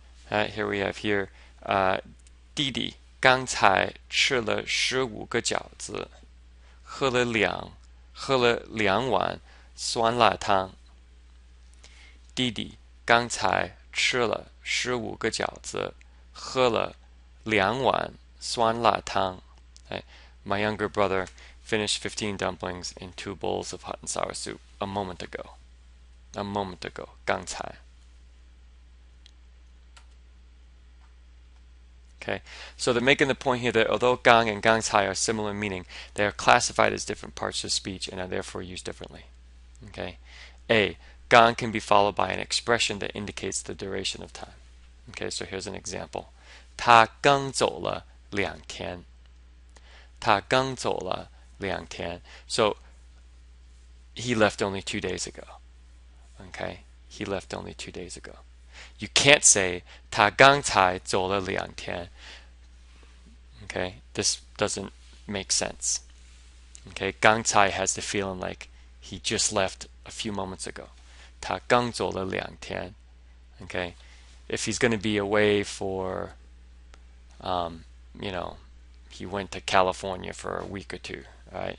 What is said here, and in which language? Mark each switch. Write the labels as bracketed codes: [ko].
[en] Here we have here, [zh] 弟弟刚才吃了15个饺子，喝了两碗酸辣汤。弟弟刚才吃了15个饺子，喝了2碗酸辣汤。 [en] My younger brother finished 15 dumplings and 2 bowls of hot and sour soup a moment ago. A moment ago, 刚才. Okay, so they're making the point here that although gang and gangcai are similar in meaning, they are classified as different parts of speech and are therefore used differently. Okay, A, gang can be followed by an expression that indicates the duration of time. Okay, so here's an example. [zh] 他刚走了两天。他刚走了两天. [en] So he left only 2 days ago. Okay, he left only 2 days ago. You can't say [zh] 他刚才走了两天. [en] Okay, this doesn't make sense. Okay, 刚才 has the feeling like he just left a few moments ago. [zh] 他刚走了两天. [en] Okay, if he's going to be away for, you know, he went to California for a week or two, right?